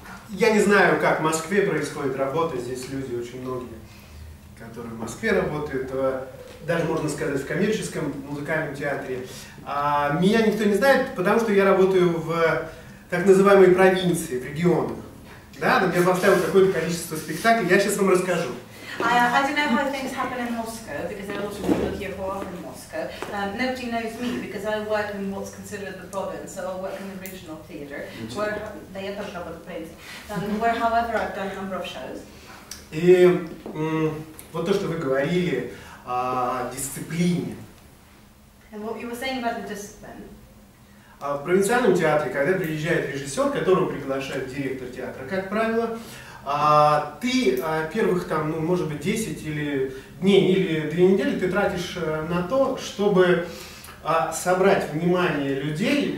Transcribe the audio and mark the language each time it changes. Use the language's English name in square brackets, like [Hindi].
[Russian] Я не знаю, как в Москве происходит работа. Здесь люди очень многие, которые в Москве работают, даже можно сказать, в коммерческом музыкальном театре. Меня никто не знает, потому что я работаю в так называемой провинции, в регионах. Да, но я поставил какое-то количество спектаклей, я сейчас вам расскажу. [English] I don't know how things happen in Moscow, because there are a lot of people here who are from Moscow. Nobody knows me, because I work in what's considered the province, so I work in the regional theatre, where, however, I've done a number of shows. [Russian] И вот то, что вы говорили о дисциплине. [English] And what you were saying about the discipline. [Russian] В провинциальном театре, когда приезжает режиссер, которого приглашает директор театра, как правило, ты первых там, ну, может быть, 10 или дней или 2 недели ты тратишь на то, чтобы собрать внимание людей.